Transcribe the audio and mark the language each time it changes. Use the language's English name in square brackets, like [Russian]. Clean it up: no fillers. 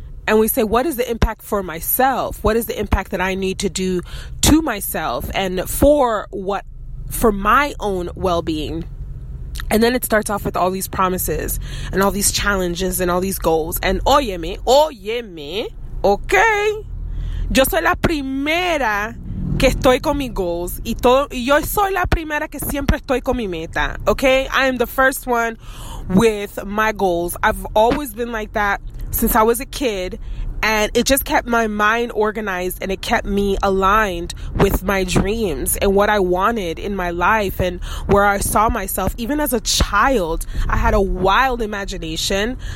[English] And we say, what is the impact for myself? What is the impact that I need to do to myself and for what, for my own well-being? And then it starts off with all these promises and all these challenges and all these goals. And óyeme, okay. [Spanish] Yo soy la primera que estoy con mis goals y todo. Yo soy la primera que siempre estoy con mi meta, okay? [English] I am the first one with my goals. I've always been like that since I was a kid, and it just kept my mind organized and it kept me aligned with my dreams and what I wanted in my life and where I saw myself. Even as a child, I had a wild imagination.